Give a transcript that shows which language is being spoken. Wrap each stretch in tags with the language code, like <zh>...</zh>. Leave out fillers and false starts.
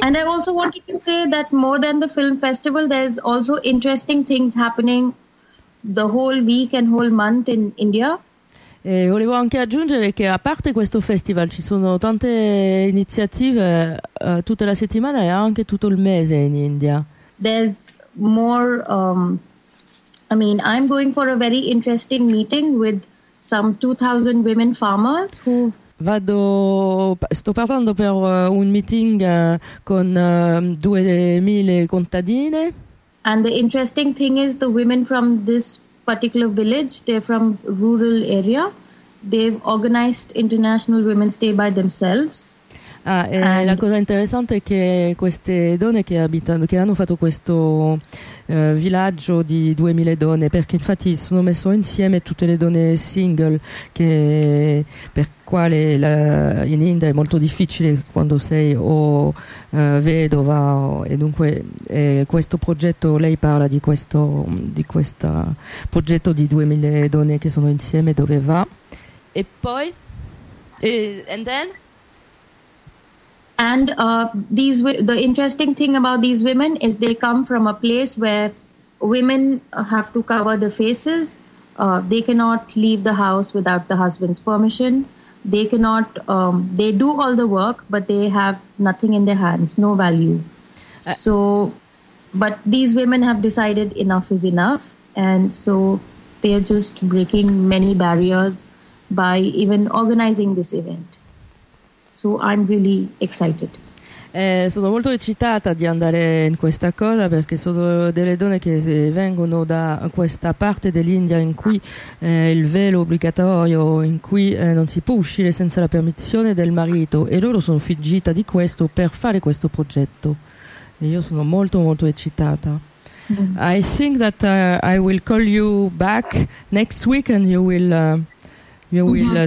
<en>And I also wanted to say that more than the film festival, there's also interesting things happening the whole week and whole month in India.</en> <it>E volevo anche aggiungere che a parte questo festival ci sono tante iniziative tutta la settimana e anche tutto il mese in India.</it> <en>There's more, I mean, I'm going for a very interesting meeting with some 2,000 women farmers who've...</en> <it>Sto parlando per un meeting con 2,000 contadine.</it> <en>And the interesting thing is the women from this particular village, they're from rural area, they've organized International Women's Day by themselves.</en> <it>Ah, e la cosa interessante è che queste donne che abitano, che hanno fatto questo villaggio di 2000 donne, perché infatti sono messo insieme tutte le donne single, che per quale la, in India è molto difficile quando sei o vedova, o, e dunque questo progetto, lei parla di questo, di questo progetto di 2000 donne che sono insieme, dove va? E poi?</it> <en>And then? And the interesting thing about these women is they come from a place where women have to cover their faces. They cannot leave the house without the husband's permission. They cannot. They do all the work, but they have nothing in their hands, no value. So, but these women have decided enough is enough, and so they are just breaking many barriers by even organizing this event. So I'm really excited.</en> <it>Sono molto eccitata di andare in questa cosa perché sono delle donne che vengono da questa parte dell'India in cui il velo obbligatorio, in cui non si può uscire senza la permissione del marito, e loro sono fuggita di questo per fare questo progetto. E io sono molto molto eccitata. Mm-hmm.</it> <en>I think that I will call you back next week and you will mm-hmm.</en>